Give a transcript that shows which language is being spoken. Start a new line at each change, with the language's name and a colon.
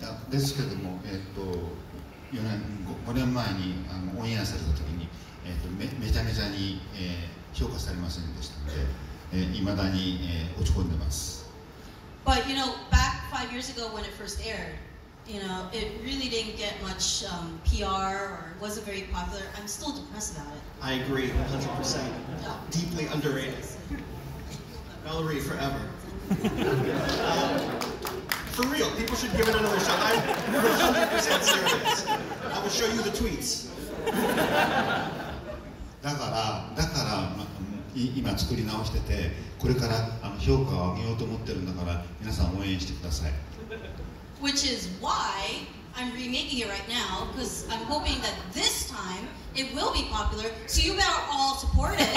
Japanese: ですけども、5年前にオンエアされた時に、めちゃめちゃに、評価されませんでしたので、未だに、落ち込んでます。
English: But you know, back 5 years ago when it first aired, you know, it really didn't get much PR or wasn't very popular. I'm still depressed about it. I agree, 100%. Deeply underrated. Valerie forever. For real, people should give it another shot. I'm 100% serious. I will show you the tweets.
Japanese: だから、今作り直してて、これから評価を上げようと思ってるんだから、皆さん応援してください。
English: Which is why I'm remaking it right now, because I'm hoping that this time it will be popular, so you better all support it.